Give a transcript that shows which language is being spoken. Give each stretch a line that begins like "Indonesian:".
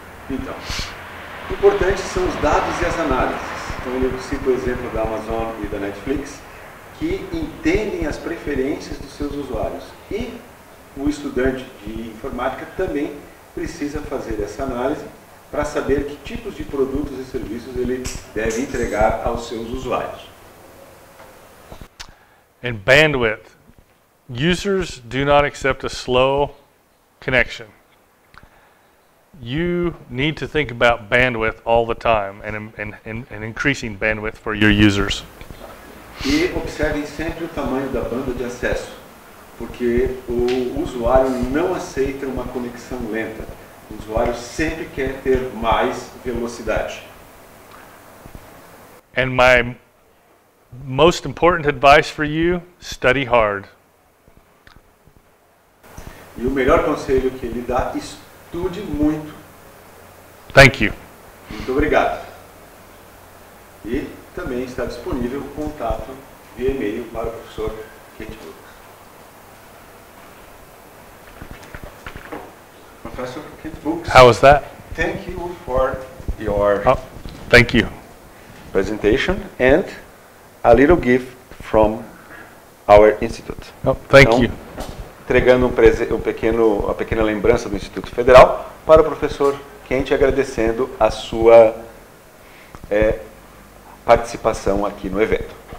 Portuguese: Então, importante são os dados e as análises. Então eu cito o exemplo da Amazon e da Netflix, que entendem as preferências dos seus usuários. E o estudante de informática também precisa fazer essa análise para saber que tipos de produtos e serviços ele deve entregar aos seus usuários.
English: And bandwidth. Users do not accept a slow connection. You need to think about bandwidth all the time and increasing bandwidth for your users.
Portuguese: E observem sempre o tamanho da banda de acesso, porque o usuário não aceita uma conexão lenta. O usuário sempre quer ter mais velocidade.
English: And my most important advice for you, study hard.
Portuguese: E o melhor conselho que ele dá, estude muito.
English: Thank you.
Portuguese: Muito obrigado. E também está disponível o contato via e-mail para o professor Kate Lucas. Professor Kate Lucas.
English: How was that? Thank you for your thank you. Presentation and a little gift from our institute. Oh, thank you.
Portuguese: Entregando uma pequena lembrança do Instituto Federal para o professor Kent, agradecendo a sua participação aqui no evento.